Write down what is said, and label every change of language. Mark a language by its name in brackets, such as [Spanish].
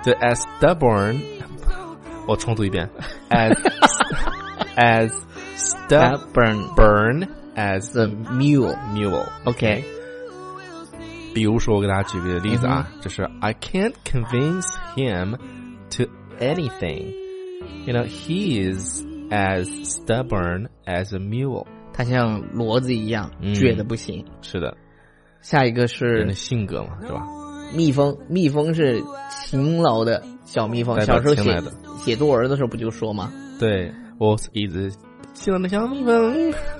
[Chinese] 对 ， [English] as stubborn， [Chinese] 我重读一遍，as [English] as stubborn, stubborn as the mule. Mule. Okay. [Chinese] 比如说，我给大家举个例子啊，就是 [English] I can't convince him to anything. You know, he is as stubborn as a mule. [Chinese] 他像骡子一样，倔的不行。是的。下一个是人的性格嘛，是吧？蜜蜂，蜜蜂是勤劳的小蜜蜂，小时候写作文的时候不就说吗？对，我一直勤劳的小蜜蜂，